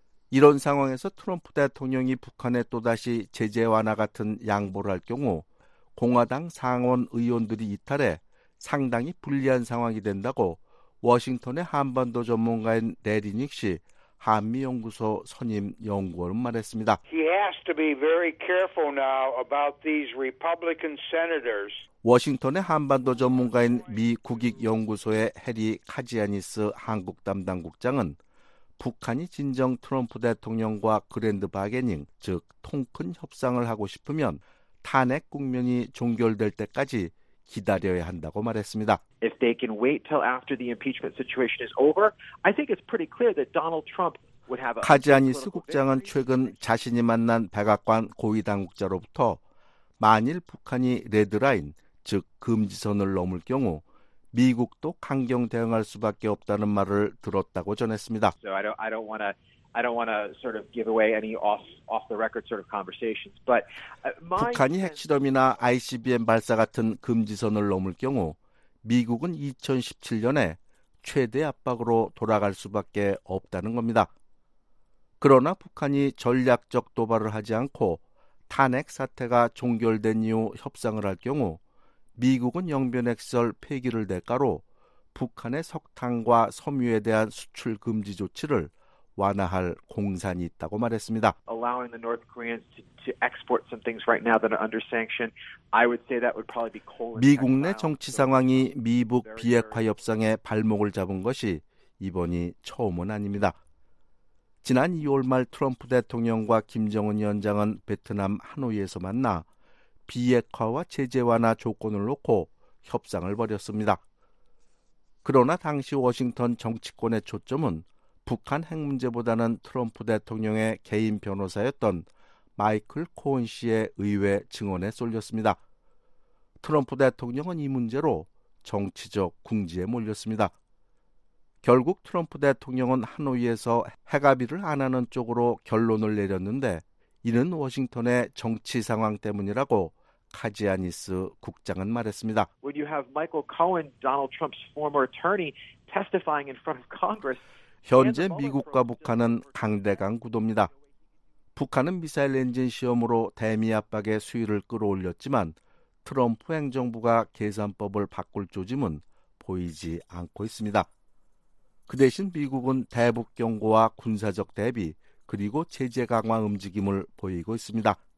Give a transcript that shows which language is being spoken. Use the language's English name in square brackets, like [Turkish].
[Korean] 이런 상황에서 트럼프 대통령이 북한에 또다시 제재 완화 같은 양보를 할 경우 공화당 상원 의원들이 이탈해 상당히 불리한 상황이 된다고 워싱턴의 한반도 전문가인 레리닉 씨 한미연구소 선임 연구원은 말했습니다. [English] He has to be very careful now about these Republican senators. [Korean] 워싱턴의 한반도 전문가인 미 국익연구소의 해리 카지아니스 한국 담당국장은 북한이 진정 트럼프 대통령과 그랜드 바게닝, 즉 통 큰 협상을 하고 싶으면 탄핵 국면이 종결될 때까지 기다려야 한다고 말했습니다. [English] If they can wait till after the impeachment situation is over, I think it's pretty clear that Donald Trump would have a [Korean] 카지아니스 국장은 최근 자신이 만난 백악관 고위 당국자로부터 만일 북한이 레드라인, 즉 금지선을 넘을 경우 미국도 강경 대응할 수밖에 없다는 말을 들었다고 전했습니다. [English] So I don't want to sort of give away any off the record sort of conversations, but [Korean] 북한이 핵실험이나 ICBM 발사 같은 금지선을 넘을 경우 미국은 2017년에 최대 압박으로 돌아갈 수밖에 없다는 겁니다. 그러나 북한이 전략적 도발을 하지 않고 탄핵 사태가 종결된 이후 협상을 할 경우 미국은 영변핵설 폐기를 대가로 북한의 석탄과 섬유에 대한 수출 금지 조치를 완화할 공산이 있다고 말했습니다. [English] Allowing the North Koreans to export some things right now that are under sanction, I would say that would probably be coal. [Korean] 미국 내 정치 상황이 미북 비핵화 협상에 발목을 잡은 것이 이번이 처음은 아닙니다. 지난 2월 말 트럼프 대통령과 김정은 위원장은 베트남 하노이에서 만나 비핵화와 제재 완화 조건을 놓고 협상을 벌였습니다. 그러나 당시 워싱턴 정치권의 초점은 북한 핵 문제보다는 트럼프 대통령의 개인 변호사였던 마이클 코언 씨의 의회 증언에 쏠렸습니다. 트럼프 대통령은 이 문제로 정치적 궁지에 몰렸습니다. 결국 트럼프 대통령은 하노이에서 핵합의를 안 하는 쪽으로 결론을 내렸는데 이는 워싱턴의 정치 상황 때문이라고 카지아니스 국장은 말했습니다. [English] When you have Michael Cohen, Donald Trump's former attorney, testifying in front of Congress. [Korean] 현재 미국과 북한은 강대강 구도입니다. 북한은 미사일 엔진 시험으로 대미 압박의 수위를 끌어올렸지만 트럼프 행정부가 계산법을 바꿀 조짐은 보이지 않고 있습니다. 그 대신 미국은 대북 경고와 군사적 대비 그리고 제재 강화 움직임을 보이고 있습니다.